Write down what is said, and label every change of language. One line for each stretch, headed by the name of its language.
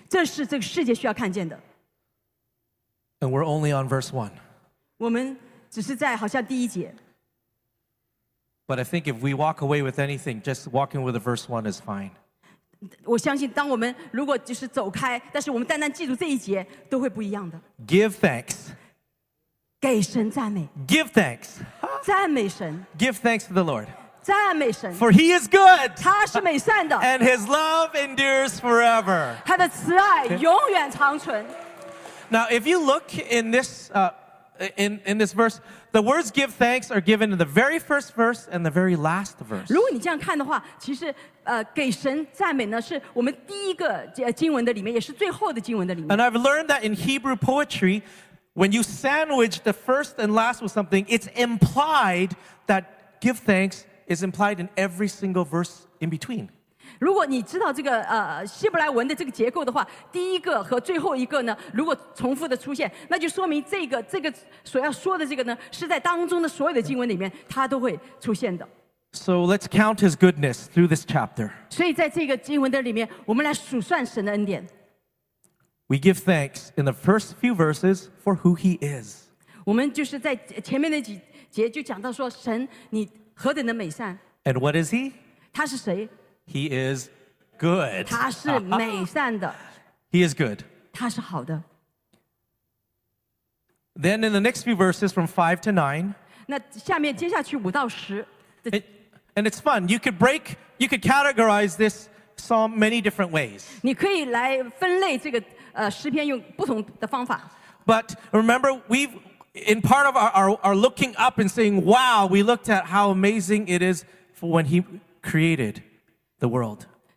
Chinese: 这是这个世界需要看见的。
English: And we're only on verse 1.
Chinese: 我们只是在好像第一节。
English: But I think if we walk away with anything, just walking with a verse 1 is fine.
Chinese: 我相信当我们如果就是走开，但是我们单单记住这一节，都会不一样的。
English: Give thanks.
Chinese: 给神赞美。
English: Give thanks.
Chinese: 赞美神。
English: Give thanks to the Lord.
Chinese: 赞美神。
English: For he is good.
Chinese: 他是美善的。
English: And his love endures forever.
Chinese: 他的慈爱永远长存。
English: Now if you look in this... In this verse, the words give thanks are given in the very first verse and the very last verse.
Chinese: 如果你这样看的话, 其实, 给神赞美呢, 是我们第一个经文的里面, 也是最后的经文的里面。
English: And I've learned that in Hebrew poetry, when you sandwich the first and last with something, it's implied that give thanks is implied in every single verse in between.
Chinese: 如果你知道这个, 希伯来文的这个结构的话, 第一个和最后一个呢, 如果重复的出现, 那就说明这个, 这个所要说的这个呢, 是在当中的所有的经文里面, 它都会出现的。
English: So let's count his goodness through this chapter.
Chinese: 所以在这个经文的里面, 我们来数算神的恩典。
English: We give thanks in the first few verses for who he is.
Chinese: 我们就是在前面那几节就讲到说, 神你何等的美善。
English: And what is he?
Chinese: 他是谁?
English: He is good.
Chinese: 他是美善的。
English: He is good.
Chinese: 他是好的。
English: Then in the next few verses from 5 to 9.
Chinese: 那下面接下去5到10。
English: And it's fun. You could categorize this psalm many different ways.
Chinese: 你可以来分类这个诗篇用不同的方法。
English: But remember, in part of our looking up and saying, wow, we looked at how amazing it is for when he created the world.